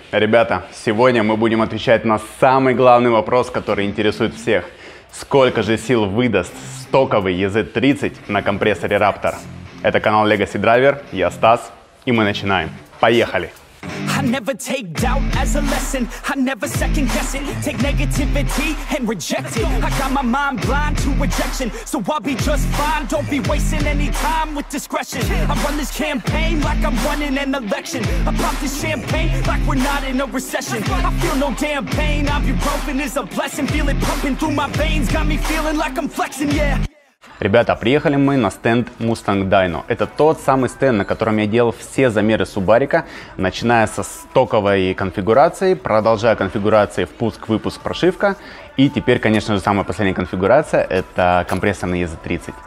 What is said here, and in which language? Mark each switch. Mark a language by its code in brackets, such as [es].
[ru] Ребята, сегодня мы будем отвечать на самый главный вопрос, который интересует всех. Сколько же сил выдаст стоковый EZ30 на компрессоре Raptor? Это канал Legacy Driver, я Стас, и мы начинаем. Поехали! [en] I never take doubt as a lesson. I never second guess it. Take negativity and reject it. I got my mind blind to rejection, so I'll be just fine. Don't be wasting any time with discretion. I run this campaign like I'm running an election. I pop this champagne like we're not in a recession. I feel no damn pain. Ibuprofen is a blessing. Feel it pumping through my veins. Got me feeling like I'm flexing, yeah. [ru] Ребята, приехали мы на стенд Mustang Dyno. Это тот самый стенд, на котором я делал все замеры Субарика, начиная со стоковой конфигурации, продолжая конфигурации впуск-выпуск прошивка. И теперь, конечно же, самая последняя конфигурация – это компрессорный EZ30.